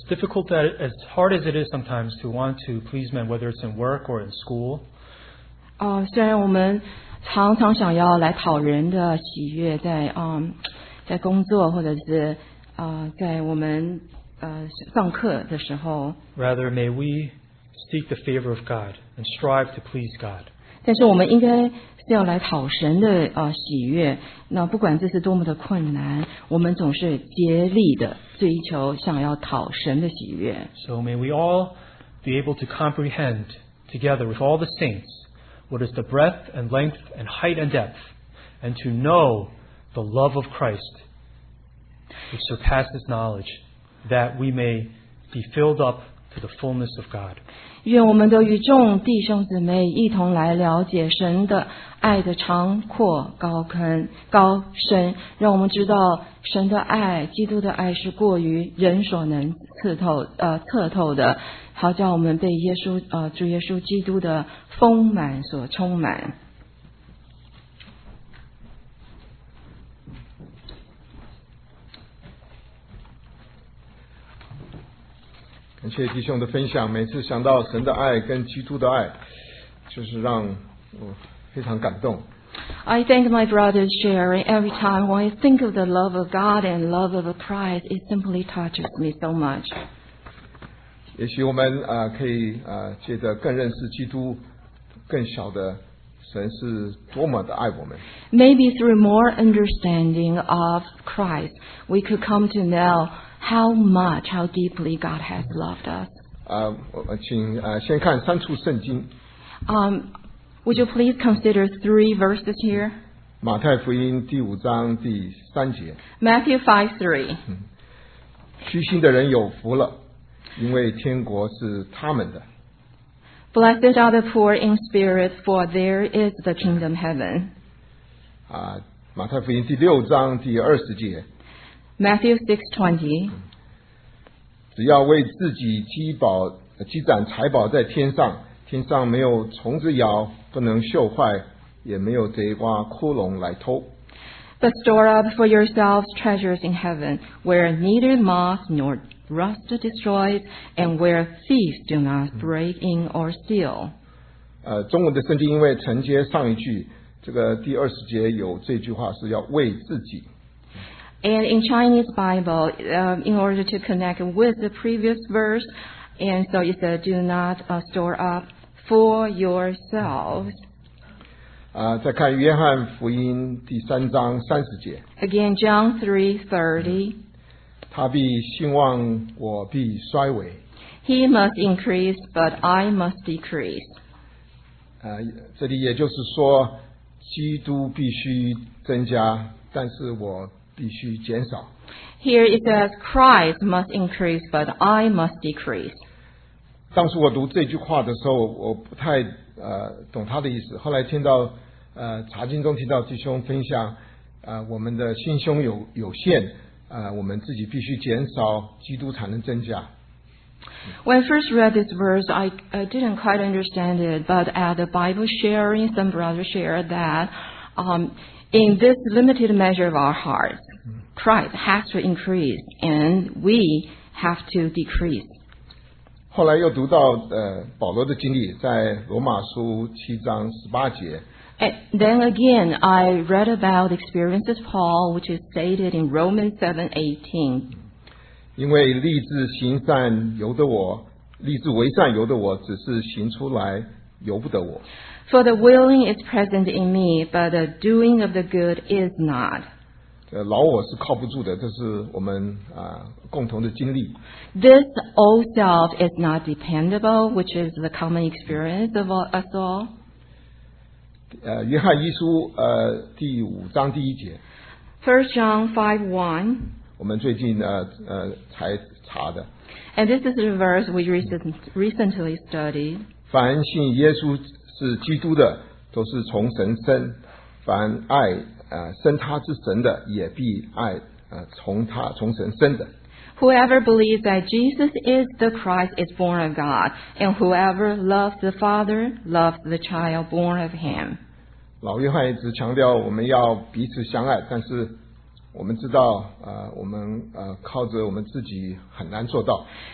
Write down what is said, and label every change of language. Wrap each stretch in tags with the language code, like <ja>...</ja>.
<en>difficult that as hard as it is sometimes to want to please men, whether it's in work or in school,</en> <zh>虽然我们常常想要来讨人的喜悦，在在工作或者是在我们上课的时候。</zh> <en>Rather, may we seek the favor of God and strive to please God.</en> <zh>但是我们应该是要来讨神的喜悦。那不管这是多么的困难，我们总是竭力的追求，想要讨神的喜悦。</zh> <en>So may we all be able to comprehend together with all the saints. What is the breadth and length and height and depth, and to know the love of Christ, which surpasses knowledge, that we may be filled up to the fullness of God.</en> <zh>愿我们都与众弟兄姊妹一同来了解神的爱的长阔高深高深，让我们知道神的爱，基督的爱是过于人所能测透的。好叫我们被耶稣主耶稣基督的丰满所充满。感谢弟兄的分享，每次想到神的爱跟基督的爱，就是让我非常感动。</zh> <en>I thank my brothers sharing every time when I think of the love of God and love of Christ, it simply touches me so much.</en> <zh>也许我们可以借着更认识基督，更晓得神是多么的爱我们。</zh> <en>Maybe through more understanding of Christ, we could come to know how much, how deeply God has loved us.</en> <zh>请先看三处圣经。</zh> <en>Would you please consider three verses here?</en> <zh>马太福音第五章第三节。</zh> <en>Matthew 5:3.</en> <zh>虚心的人有福了。因为天国是他们的。</zh> <en>Blessed are the poor in spirit, for there is the kingdom heaven.</en> <zh>马太福音第六章第二十节。</zh> <en>Matthew 6:20.</en> <zh>只要为自己积攒财宝在天上，天上没有虫子咬，不能锈坏，也没有贼挖窟窿来偷。</zh> <en>But store up for yourselves treasures in heaven, where neither moth nor rust destroys, and where thieves do not break in or steal.</en> <zh>中文的圣经因为承接上一句，这个第二十节有这句话是要为自己。</zh> <en>And in Chinese Bible, in order to connect with the previous verse, and so it says, do not store up for yourselves.</en> <zh>再看约翰福音第三章三十节。</zh> <en>Again, John 3:30.</en> <zh>他必兴旺，我必衰微。</zh> <en>He must increase, but I must decrease.</en> <zh>这里也就是说，基督必须增加，但是我必须减少。</zh> <en>Here it says, Christ must increase, but I must decrease.</en> <zh>当时我读这句话的时候，我不太懂他的意思。后来听到查经中提到弟兄分享，我们的心胸有限，我们自己必须减少，基督才能增加。</zh> <en>When I first read this verse, I didn't quite understand it. But at the Bible sharing, some brothers shared that, in this limited measure of our hearts, Christ has to increase and we have to decrease.</en> <zh>后来又读到保罗的经历，在罗马书七章十八节。</zh> <en>And then again, I read about the experiences of Paul, which is stated in Romans 7:18.</en> <zh>因为立志行善由得我，立志为善由得我，只是行出来由不得我。</zh> <en>For the willing is present in me, but the doing of the good is not.</en> <zh>老我是靠不住的，这是我们共同的经历。</zh> <en>This old self is not dependable, which is the common experience of us all.</en> <zh>约翰一书第五章第一节。</zh> <en>First John 5:1.</en> <zh>我们最近才查的。</zh> <en>And this is the verse we recently studied.</en> <zh>凡信耶稣是基督的，都是从神生。凡爱生他之神的，也必爱从神生的。</zh> <en>Whoever believes that Jesus is the Christ is born of God, and whoever loves the Father loves the child born of him.</en> <zh>老约翰一直强调我们要彼此相爱，但是我们知道我们靠着我们自己很难做到。</zh>